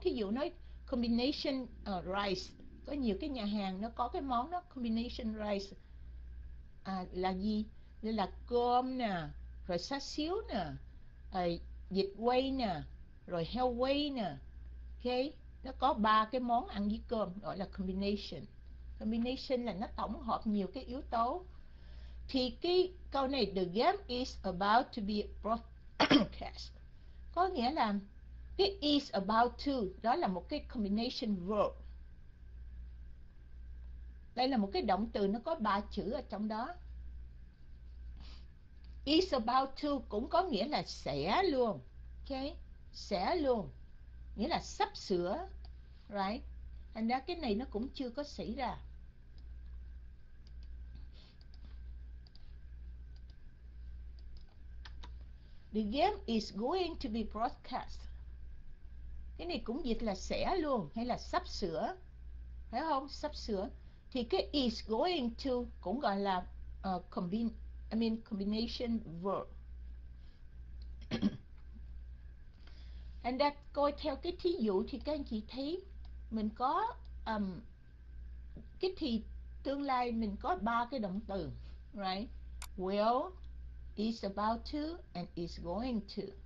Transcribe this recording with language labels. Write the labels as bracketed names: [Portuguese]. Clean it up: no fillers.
[Vietnamese] Thí dụ nói combination rice, có nhiều cái nhà hàng nó có cái món đó, combination rice là gì? Nên là cơm nè, rồi xá xíu nè, rồi vịt quay nè, rồi heo quay nè. Okay. Nó có ba cái món ăn với cơm, gọi là combination. Combination là nó tổng hợp nhiều cái yếu tố. Thì cái câu này, [English] the game is about to be broadcast. [Vietnamese] Có nghĩa là cái is about to, đó là một cái combination verb. Đây là một cái động từ, nó có ba chữ ở trong đó. Is about to cũng có nghĩa là sẽ luôn. Okay. Sẽ luôn. Nghĩa là sắp sửa. Right. Thành ra cái này nó cũng chưa có xảy ra. [English] game is going to be broadcast. [Vietnamese] Cái này cũng dịch là sẽ luôn hay là sắp sửa. Phải không? Sắp sửa. Thì cái is going to cũng gọi là combination verb. [English] And that [Vietnamese] coi theo cái thí dụ thì các anh chị thấy mình có cái thì tương lai mình có ba cái động từ, [English] right? Will, is about to and is going to.